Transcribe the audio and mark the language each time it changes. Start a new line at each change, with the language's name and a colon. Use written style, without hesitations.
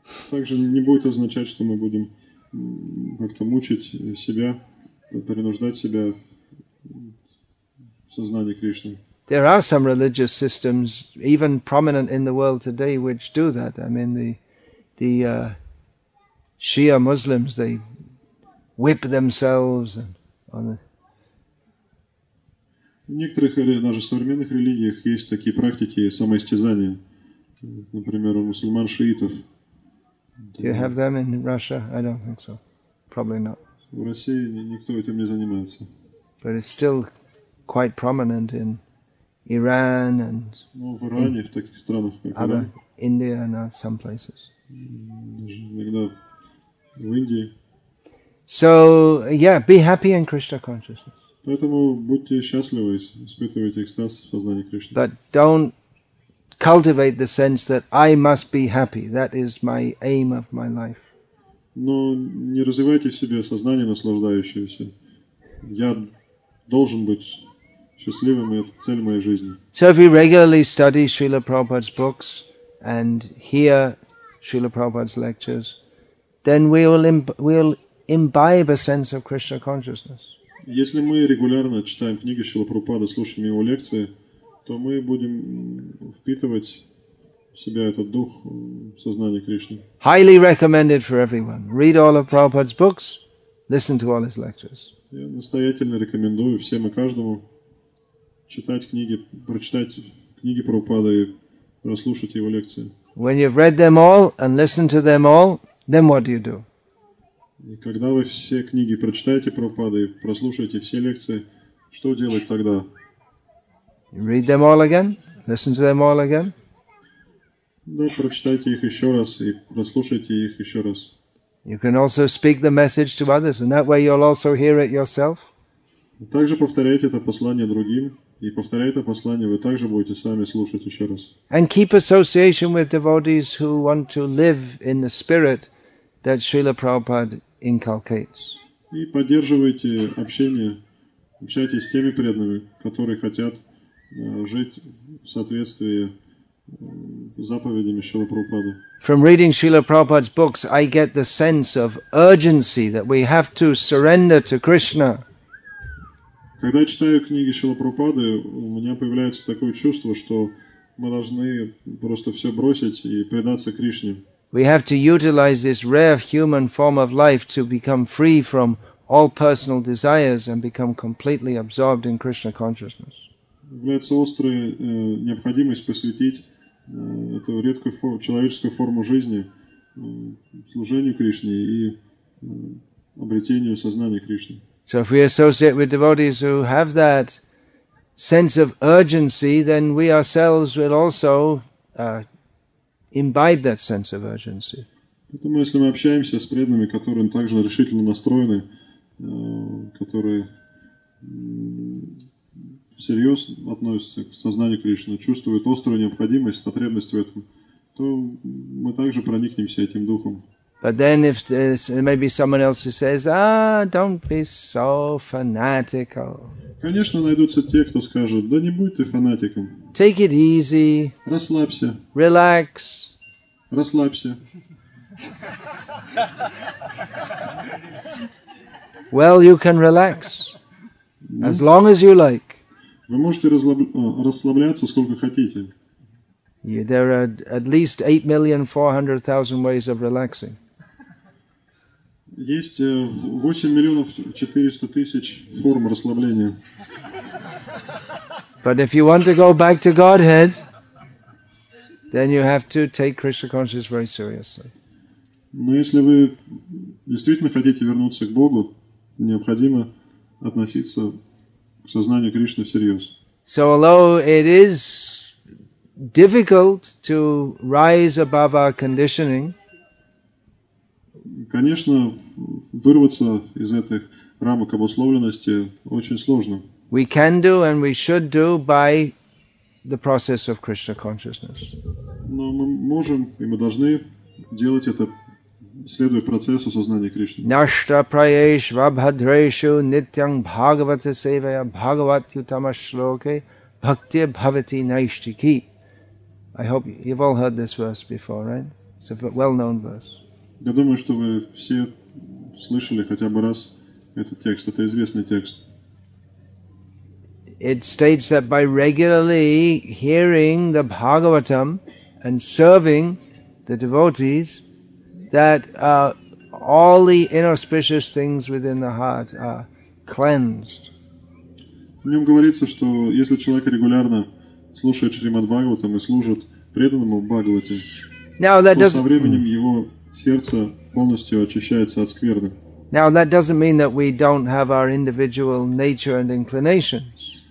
Russian: Также не будет означать, что мы будем как-то мучить себя, принуждать себя в сознании Кришны.
English: There are some religious systems, even prominent in the world today, which do that. I mean, the Shia Muslims, they whip themselves and on the...
Russian: В некоторых даже современных религиях есть такие практики самоистязания. Например, у мусульман шиитов.
English: Do you have them in Russia? I don't think so. Probably not.
Russian: В России никто этим не занимается.
English: But it's still quite prominent in Iran and
Russian: в Иране, в таких странах, как Иран.
English: India and some places.
Russian: Иногда в Индии.
English: So, yeah, be happy in Krishna consciousness.
Russian: Поэтому будьте счастливы, испытывайте экстаз в сознании Кришны.
English: But don't cultivate the sense that I must be happy. That is my aim of my life.
Russian: Но не развивайте в себе сознание наслаждающееся. Я должен быть счастливым, и это цель моей жизни.
English: So if we regularly study Srila Prabhupada's books and hear Srila Prabhupada's lectures, then we will imbibe a sense of Krishna consciousness.
Russian: Если мы регулярно читаем книги Шрилы Прабхупады, слушаем его лекции, то мы будем впитывать в себя этот дух сознания Кришны.
English: Highly recommended for everyone. Read all of Prabhupada's books, listen to all his lectures.
Russian: Я настоятельно рекомендую всем и каждому читать книги, прочитать книги Прабхупады и прослушать его лекции.
English: When you've read them all and listened to them all, then what do you do?
Russian: И когда вы все книги прочитаете Прабхупады и прослушаете все лекции, что делать тогда?
English: You read them all again? Listen to them all again?
Russian: Да, прочитайте их еще раз и прослушайте их еще раз.
English: You can also speak the message to others, and that way you'll also hear it yourself.
Russian: Также повторяйте это послание другим, и повторяя это послание, вы также будете сами слушать еще раз.
English: And keep association with devotees who want to live in the spirit that Srila Prabhupada inculcates.
Russian: И поддерживайте общение, общайтесь с теми преданными, которые хотят жить в соответствии с заповедями Шрилы Прабхупады.
English: From reading Srila Prabhupada's books, I get the sense of urgency that we have to surrender to Krishna.
Russian: Когда я читаю книги Шрилы Прабхупады, у меня появляется такое чувство, что мы должны просто все бросить и предаться Кришне.
English: We have to utilize this rare human form of life to become free from all personal desires and become completely absorbed in Krishna consciousness.
Russian: Является острой необходимость посвятить эту редкую человеческую форму жизни служению Кришне и обретению сознания Кришны.
English: So if we associate with devotees who have that sense of urgency, then we ourselves will also imbibe that sense of urgency.
Russian: Поэтому, если мы общаемся с преданными, которые также решительно настроены, которые всерьез относятся к сознанию Кришны, чувствуют острую необходимость, потребность в этом, то мы также проникнемся этим духом.
English: But then if there may be someone else who says, ah, don't be so fanatical.
Russian: Конечно, найдутся те, кто скажет, да не будь ты фанатиком.
English: Take it easy.
Russian: Расслабься.
English: Relax.
Russian: Расслабься.
English: Well, you can relax. As long as you like.
Russian: Вы можете расслабляться сколько хотите.
English: Yeah, there are at least 8,400,000 ways of relaxing.
Russian: Есть 8,400,000 форм расслабления.
English: But if you want to go back to Godhead, then you have to take Krishna consciousness very seriously.
Russian: Но если вы действительно хотите вернуться к Богу, необходимо относиться к сознанию Кришны всерьез.
English: So although it is difficult to rise above our conditioning,
Russian: конечно, вырваться из этих рамок обусловленности очень сложно.
English: We can do and we should do by the process of Krishna consciousness.
Russian: Но мы можем и мы должны делать это, следуя процессу сознания Кришны.
Sanskrit: Нашта праеш вабхадрешу нитьян бхагавата севая бхагаватютама шлоке бхакти бхавати найштики.
English: I hope you've all heard this verse before, right? It's a well-known verse.
Russian: Я думаю, что вы все слышали хотя бы раз этот текст. Это известный текст.
English: It states that by regularly hearing the Bhagavatam and serving the devotees, that all the inauspicious things within the heart are cleansed.
Russian: В нем говорится, что если человек регулярно слушает Шримад-Бхагаватам и служит преданному Бхагавате, то со временем его сердце полностью очищается от скверны.
English: Now that doesn't mean that we don't have our individual nature and inclinations.